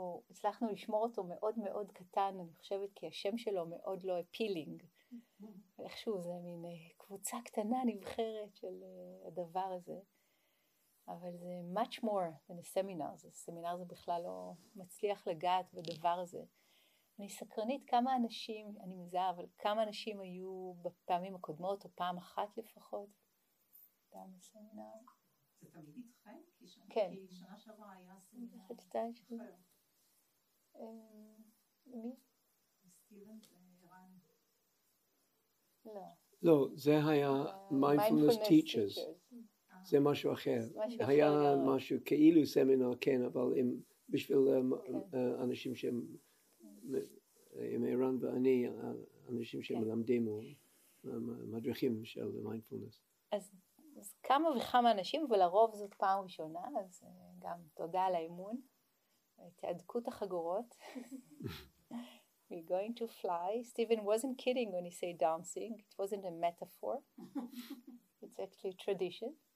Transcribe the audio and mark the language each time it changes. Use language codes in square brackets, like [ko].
[he] הצלחנו לשמור אותו מאוד מאוד קטן, אני חושבת, כי השם שלו מאוד לא appealing. איכשהו זה מין קבוצה קטנה נבחרת של הדבר הזה. אבל זה much more than a seminar. זה סמינר, זה בכלל לא מצליח לגעת בדבר הזה. אני סקרנית כמה אנשים, אני מזהה, אבל כמה אנשים היו בפעמים הקודמות, או פעם אחת לפחות, גם בסמינר. זה תמיד איתכם? כן. כי שנה שעברה היה סמינר. זה חדשתה שלי. מי? סטיבן ורן. לא. לא, זה היה mindfulness teachers. זה משהו אחר. היה משהו כאילו סמינר, כן, אבל בשביל אנשים שהם... עם אירן ואני, אנשים שמלמדים או מדריכים של מיינדפולנס. אז כמה וכמה אנשים, ולרוב זאת פעם ראשונה, אז גם תודה על האמון. [en] תעדכו את החגורות. We're going to fly. Stephen wasn't kidding when he said dancing. It wasn't a metaphor. It's actually tradition.